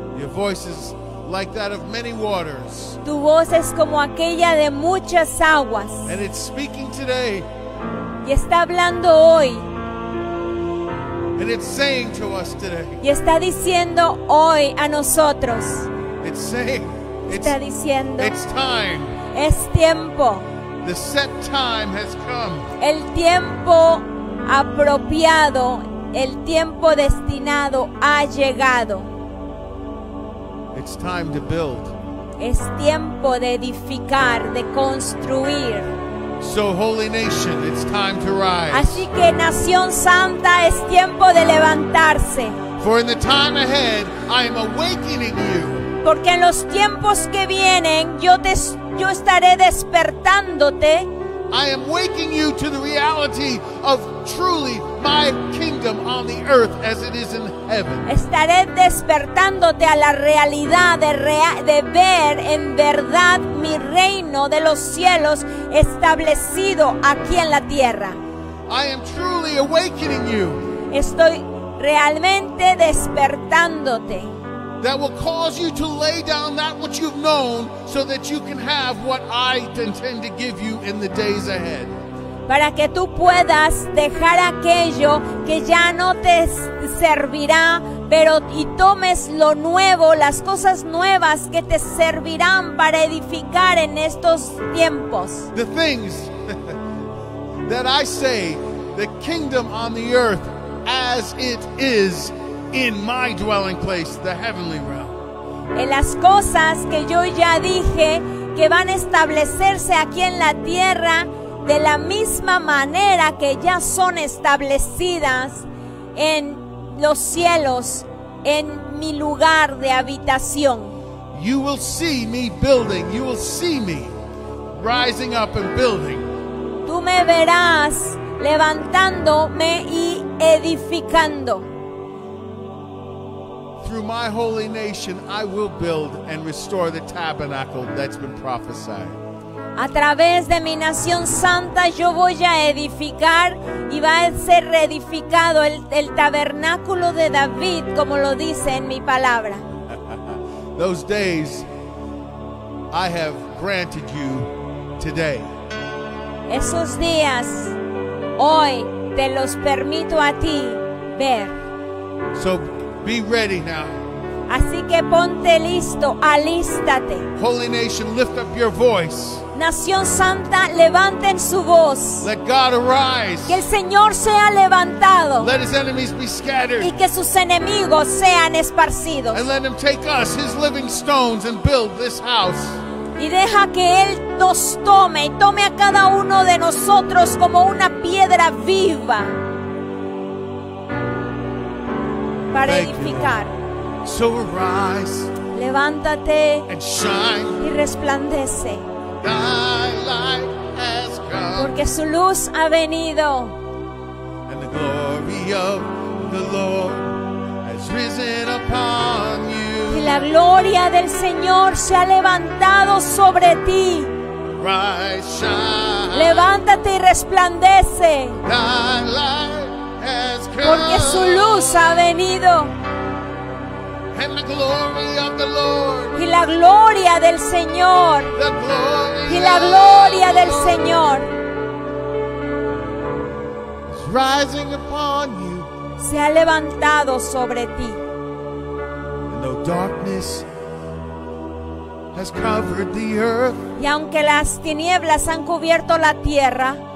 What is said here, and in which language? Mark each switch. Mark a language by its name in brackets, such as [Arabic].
[English] Your voice is like that of many waters. [Spanish] Tu voz es como aquella de muchas aguas. [English] And it's speaking today. [Spanish] Y está hablando hoy. [English] And it's saying to us today. [Spanish] Y está diciendo hoy a nosotros. [English] It's saying. [Spanish] Está diciendo. [English] It's time. [Spanish] Es tiempo. [English] The set time has come. [Spanish] El tiempo apropiado. El tiempo destinado ha llegado. [English] It's time to build. [Spanish] Es tiempo de edificar, de construir. [English] So holy nation, it's time to rise. [Spanish] Así que nación santa, es tiempo de levantarse. [English] For in the time ahead, I am awakening you. [Spanish] Porque en los tiempos que vienen, yo estaré despertándote. [English] I am waking you to the reality of truly my kingdom on the earth as it is in heaven. [Spanish] Estaré despertándote a la realidad de ver en verdad mi reino de los cielos establecido aquí en la tierra. [English] I am truly awakening you. [Spanish] Estoy realmente despertándote. [English] That will cause you to lay down that which you've known so that you can have what I intend to give you in the days ahead. [Spanish] Para que tú puedas dejar aquello que ya no te servirá, pero y tomes lo nuevo, las cosas nuevas que te servirán para edificar en estos tiempos. [English] The things that I say, the kingdom on the earth as it is in my dwelling place, the heavenly realm. [Spanish] En las cosas que yo ya dije que van a establecerse aquí en la tierra de la misma manera que ya son establecidas en los cielos, en mi lugar de habitación. [English] You will see me building. You will see me rising up and building. [Spanish] Tú me verás levantándome y edificando. [English] Through my holy nation, I will build and restore the tabernacle that's been prophesied. [Spanish] A través de mi nación santa, yo voy a edificar y va a ser reedificado el tabernáculo de David, como lo dice en mi palabra. [English] Those days I have granted you today. [Spanish] Esos días hoy te los permito a ti ver. [English] So be ready now. [Spanish] Así que ponte listo, alístate. [English] Holy nation, lift up your voice. [Spanish] Nación Santa, levanten su voz. [English] Let God arise. [Spanish] Que el Señor sea levantado. [English] Let his enemies be scattered. [Spanish] Y que sus enemigos sean esparcidos. [English] And let him take us, his living stones, and build this house. [Spanish] Y deja que Él nos tome y tome a cada uno de nosotros como una piedra viva para edificar. [English] So arise, [Spanish] levántate [English] and shine, [Spanish] y resplandece. [English] Thy light has come, [Spanish] porque su luz ha venido. [English] And the glory of the Lord has risen upon you. [Spanish] Y la gloria del Señor se ha levantado sobre ti. [English] Rise, shine. [Spanish] Levántate y resplandece. [English] Thy light has come. [Spanish] Porque su luz ha venido. [English] And the glory of the Lord. [Spanish] Y la gloria del Señor. [English] The glory. [Spanish] Y la gloria del Señor. [English] Is rising upon you. [Spanish] Se ha levantado sobre ti. [English] No darkness has covered the earth. [Spanish] Y aunque las tinieblas han cubierto la tierra,